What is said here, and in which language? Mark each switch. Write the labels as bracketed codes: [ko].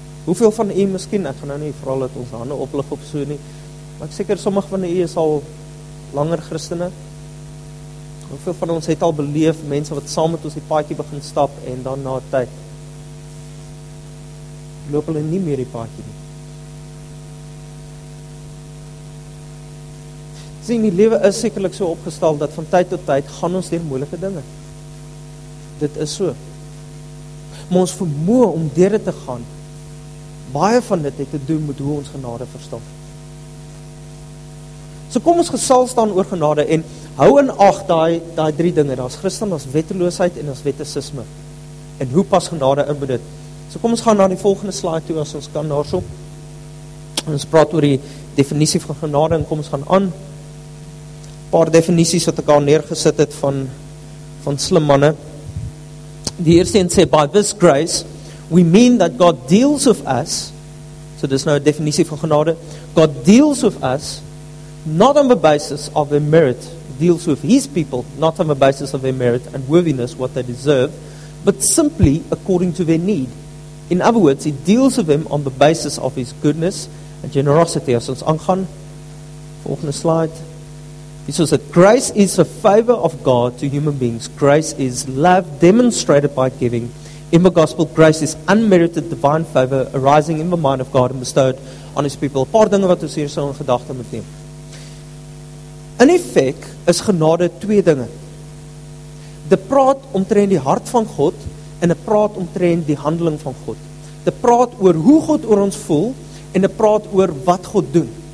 [af] Hoeveel van u miskien, ek gaan nou nie vooral dat ons hande oplig op so nie, maar ek seker sommige van u is al langer Christene. Hoeveel van ons het al beleef, mense wat saam met ons die paadjie begin stap en dan na tyd, loop hulle nie meer die paadjie nie. Sien, die lewe is sekerlik so opgestel, dat van tyd tot tyd gaan ons deur moeilike dinge. Dit is so. maar ons vermoë om deur dit te gaan, baie van dit het te doen met hoe ons genade verstaan. So kom ons gesels dan oor genade en hou in ag daai drie dinge, daar is Christen, daar is wetteloosheid en daar is wettesisme. En hoe pas genade in met dit? So kom ons gaan na die volgende slide toe, as ons kan daarso. Ons praat oor die definisie van genade en kom ons gaan aan. Paar definisies wat ek al neergesit het van slim manne. Die eerste een sê, [en] by this grace, we mean that God deals with us, [af] so dis nou die definisie van genade, [en] God deals with us, not on the basis of their merit, deals with his people, not on the basis of their merit and worthiness, what they deserve, but simply according to their need. In other words, he deals with them on the basis of his goodness and generosity. [af] As ons aangaan, volgende slide. [en] He says that grace is the favor of God to human beings. Grace is love demonstrated by giving. In the gospel, grace is unmerited divine favor arising in the mind of God and bestowed on his people. [af] A paar dinge wat ons hier so in gedagte moet neem. In effect is genade twee dinge. Dit praat omtrent die hart van God en dit praat omtrent die handeling van God. Dit praat oor hoe God oor ons voel en dit praat oor wat God doen.